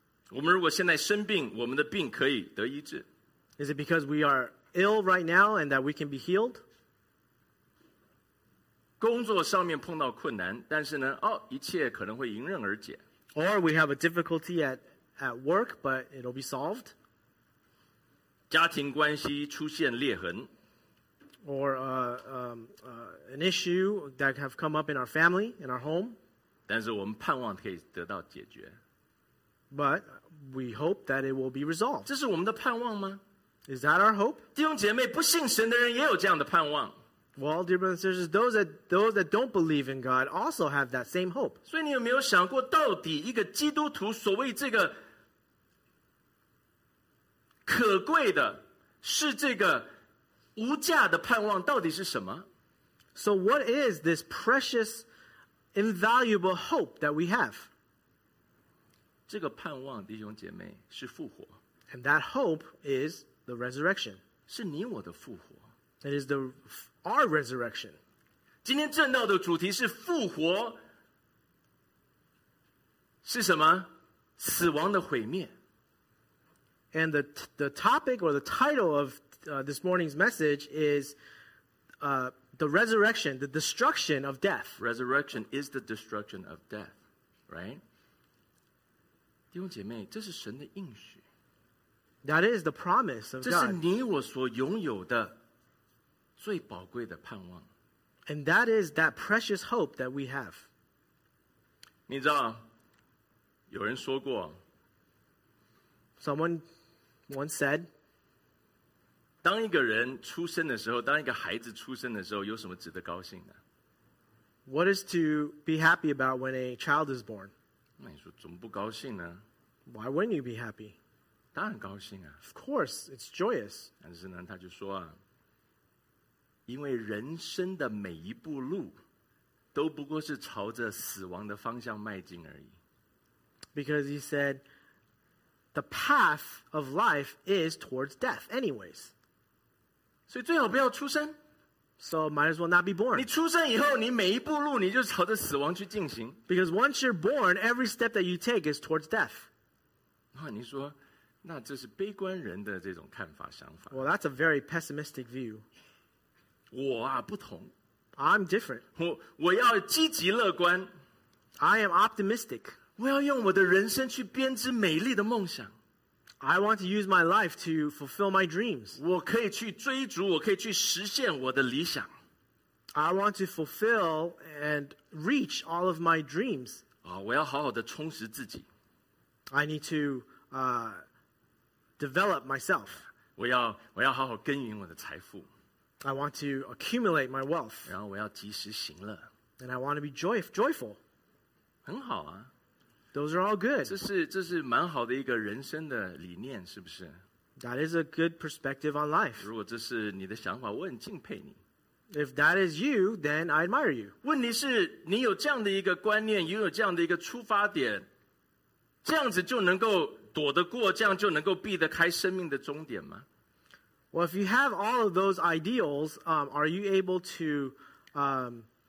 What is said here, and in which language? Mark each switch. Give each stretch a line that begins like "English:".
Chinese: 我们如果现在生病，我们的病可以得医治。
English: Is it because we are ill right now and that we can be healed?
Chinese: 工作上面碰到困难，但是呢，哦，一切可能会迎刃而解。
English: Or we have a difficulty at work, but it'll be solved.
Chinese: 家庭关系出现裂痕。
English: Or an issue that have come up in our family, in our home.
Chinese: 但是我们盼望可以得到解决。
English: But we hope that it will be resolved.
Chinese: 这是我们的盼望吗？
English: Is that our hope?
Chinese: 弟兄姐妹，不信神的人也有这样的盼望。
English: Well, dear brothers and sisters, those that don't believe in God also have that same hope.
Chinese: 所以你有没有想过，到底一个基督徒所谓这个可贵的是这个无价的盼望到底是什么？
English: So what is this precious, invaluable hope that we have?
Chinese: 这个盼望，弟兄姐妹，是复活。
English: And that hope is the resurrection.
Chinese: 是你我的复活。
English: It is our resurrection.
Chinese: 今天正道的主题是复活，是什么？死亡的毁灭。
English: And the topic or the title of this morning's message is the resurrection, the destruction of death. Resurrection is the destruction of death, right?
Chinese: 弟兄姐妹，这是神的应许。
English: That is the promise of God.
Chinese: 这是你我所拥有的最宝贵的盼望。
English: And that is that precious hope that we have.
Chinese: 你知道，有人说过。
English: Someone once said,
Chinese: 当一个人出生的时候，当一个孩子出生的时候，有什么值得高兴的？
English: What is to be happy about when a child is born?
Chinese: 那你说怎么不高兴呢？
English: Why wouldn't you be happy?
Chinese: 当然高兴啊。
English: Of course, it's joyous.
Chinese: 但是呢，他就说啊，因为人生的每一步路都不过是朝着死亡的方向迈进而已。
English: Because he said, the path of life is towards death anyways.
Chinese: 所以最好不要出生。
English: So might as well not be born.
Chinese: 你出生以后，你每一步路你就朝着死亡去进行。
English: Because once you're born, every step that you take is towards death.
Chinese: 那你说，那这是悲观人的这种看法想法。
English: Well, that's a very pessimistic view.
Chinese: 我啊，不同。
English: I'm different.
Chinese: 我要积极乐观。
English: I am optimistic.
Chinese: 我要用我的人生去编织美丽的梦想。
English: I want to use my life to fulfill my dreams.
Chinese: 我可以去追逐，我可以去实现我的理想。
English: I want to fulfill and reach all of my dreams.
Chinese: 我要好好的充实自己。
English: I need to develop myself.
Chinese: 我要好好耕耘我的财富。
English: I want to accumulate my wealth.
Chinese: 然后我要及时行乐。
English: And I want to be joyful.
Chinese: 很好啊。
English: Those are all good.
Chinese: 这是蛮好的一个人生的理念，是不是？
English: That is a good perspective on life.
Chinese: 如果这是你的想法，我很敬佩你。
English: If that is you, then I admire you.
Chinese: 问题是，你有这样的一个观念，拥有这样的一个出发点，这样子就能够躲得过，这样就能够避得开生命的终点吗？
English: Well, if you have all of those ideals, are you able to avoid?